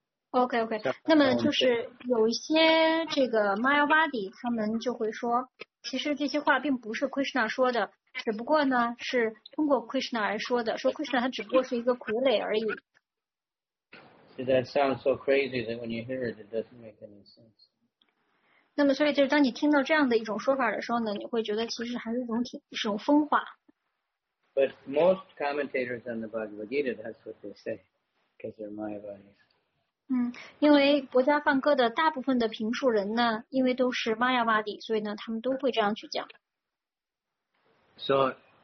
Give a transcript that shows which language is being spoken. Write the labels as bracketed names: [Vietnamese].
[Chinese] OK. 那么就是有一些这个 Mayavadi 他们就会说其实这些话并不是 Krishna 说的，只不过呢是通过 Krishna 来说的，说 Krishna 他只不过是一个傀儡而已。 [English] That sounds so crazy that when you hear it, it doesn't make any sense. [Chinese] 那么所以就是当你听到这样的一种说法的时候呢，你会觉得其实还是一种疯话。 [English] But most commentators on the Bhagavad Gita, that's what they say, because they're Mayavadis. [Chinese] 因为薄伽梵歌的大部分的评述人呢因为都是 Mayavadi 所以呢他们都会这样去讲。 [English] So,